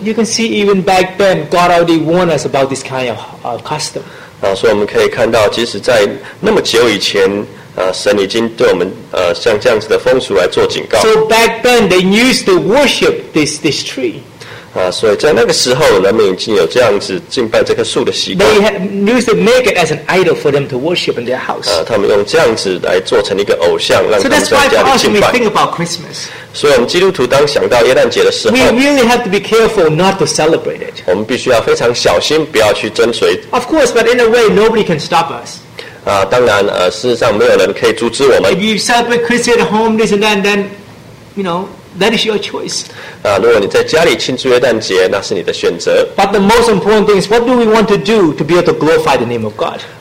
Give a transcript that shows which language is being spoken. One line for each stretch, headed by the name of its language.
English: You can see even back then, God already warned us about this kind of custom.
Chinese: 所以我们可以看到，即使在那么久以前。神已经对我们像这样子的风俗来做警告。
English: So back then they used to worship this tree.
Chinese: 所以在那个时候，人们已经有这样子敬拜这棵树的习惯。
English: They used to make it as an idol for them to worship in their house.
Chinese: 他们用这样子来做成一个偶像，让他们
English: So that's why we think about Christmas.
Chinese: 所以我们基督徒当想到耶诞节的时候，
English: We really have to be careful not to celebrate it.
Chinese: 我们必须要非常小心，不要去追随。
English: Of course, but in a way, nobody can stop us.
Chinese: 当然，事实上没有人可以阻止我们。
English: If you celebrate Christmas at home, this and that, then you know that is your choice.
Chinese: 如果你在家里庆祝耶诞节，那是你的选择。
English: But the most important thing is, what do we want to do to be able to glorify the name of God?